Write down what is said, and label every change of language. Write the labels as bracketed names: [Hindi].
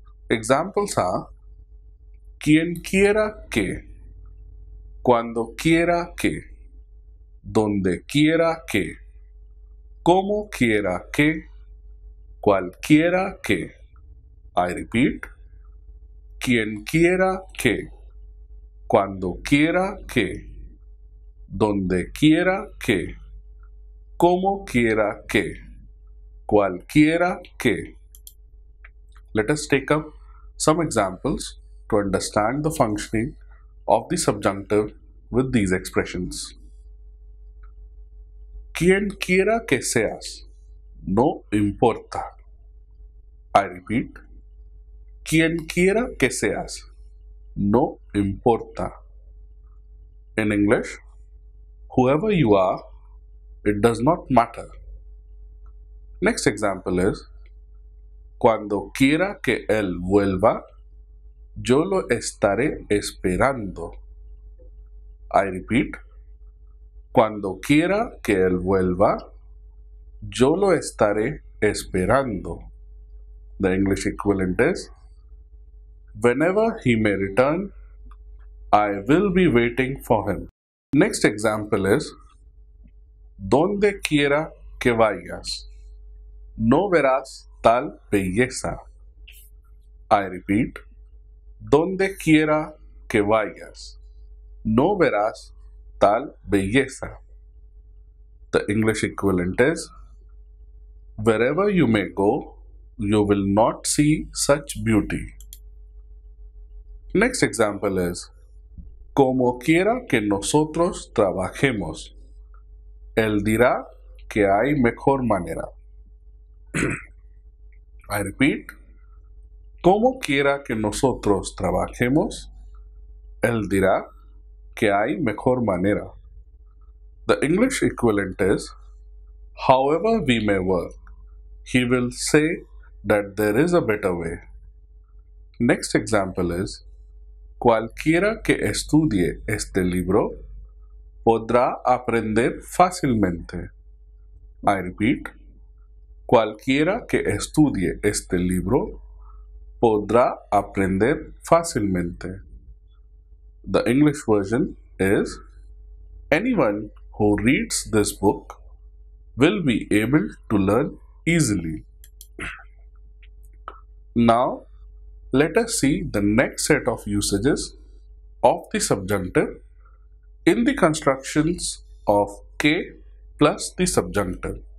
[English] Examples are [Spanish] quien quiera que, cuando quiera que, donde quiera que, como quiera que, cualquiera que. [English] I repeat, [Spanish] quien quiera que, cuando quiera que, donde quiera que, como quiera que, cualquiera que. [English] Let us take up some examples to understand the functioning of the subjunctive with these expressions. [Spanish] Quien quiera que seas, no importa. [English] I repeat, [Spanish] quien quiera que seas, no importa. [English] In English, whoever you are, it does not matter. Next example is, [Spanish] cuando quiera que él vuelva, yo lo estaré esperando. [English] I repeat, [Spanish] cuando quiera que él vuelva, yo lo estaré esperando. [English] The English equivalent is, whenever he may return, I will be waiting for him. Next example is, [Spanish] donde quiera que vayas, no verás tal belleza. [English] I repeat, [Spanish] donde quiera que vayas, no verás tal belleza. [English] The English equivalent is, wherever you may go, you will not see such beauty. Next example is, [Spanish] como quiera que nosotros trabajemos, él dirá que hay mejor manera. [English] I repeat, [Spanish] como quiera que nosotros trabajemos, él dirá que hay mejor manera. [English] The English equivalent is, however we may work, he will say that there is a better way. Next example is, [Spanish] cualquiera que estudie este libro podrá aprender fácilmente. [English] I repeat, [Spanish] cualquiera que estudie este libro podrá aprender fácilmente. [English] The English version is, anyone who reads this book will be able to learn easily. Now, let us see the next set of usages of the subjunctive in the constructions of K plus the subjunctive.